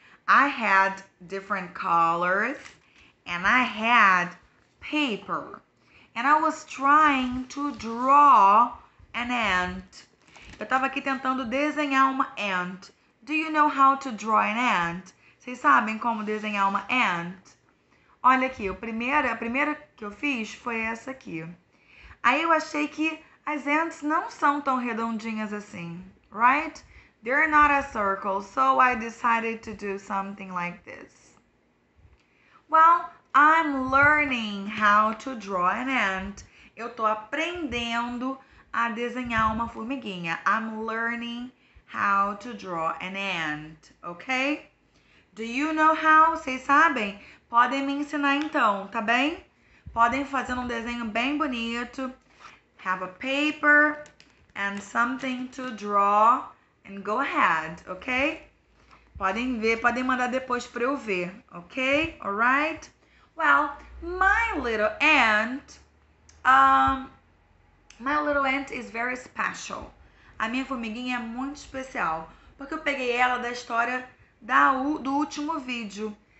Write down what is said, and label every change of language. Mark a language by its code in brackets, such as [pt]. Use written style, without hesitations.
[en] I had different colors and I had paper and I was trying to draw an ant. [pt] Eu tava aqui tentando desenhar uma ant. [en] Do you know how to draw an ant? [pt] Vocês sabem como desenhar uma ant? Olha aqui, a primeira que eu fiz foi essa aqui. Aí eu achei que as ants não são tão redondinhas assim, right? [en] They're not a circle, so I decided to do something like this. Well, I'm learning how to draw an ant. [pt] Eu tô aprendendo a desenhar uma formiguinha. [en] I'm learning how to draw an ant, okay? Do you know how? [pt] Vocês sabem? Podem me ensinar então, tá bem? Podem fazer um desenho bem bonito. [en] Have a paper and something to draw and go ahead, okay? [pt] Podem ver, podem mandar depois para eu ver, okay? [en] All right? Well, my little ant is very special. [pt] A minha formiguinha é muito especial, porque eu peguei ela da história do último vídeo.